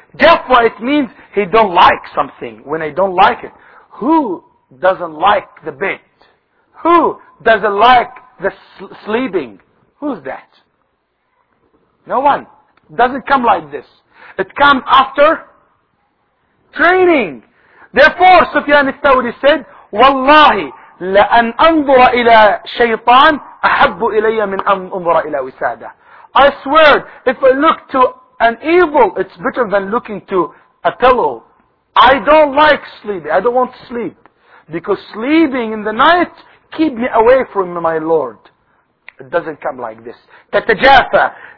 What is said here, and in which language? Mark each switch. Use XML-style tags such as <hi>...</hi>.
<en>Jafwa, it means he don't like something when I don't like it. Who doesn't like the bid? Who doesn't like the sleeping? Who's that? No one. Doesn't come like this. It comes after training. Therefore, Sufyan al-Thawri said,</en> <ar>Wallahi, لَأَنْ أَنْظُرَ إِلَىٰ شَيْطَانِ أَحَبُّ إِلَيَّ مِنْ أَنْ أُنْظُرَ إِلَىٰ وِسَادَ.</ar> <en>I swear, if I look to an evil, it's better than looking to a pillow. I don't like sleeping. I don't want to sleep. Because sleeping in the night, keep me away from my Lord. It doesn't come like this.</en> <ar>تَتَجَافَ.</ar>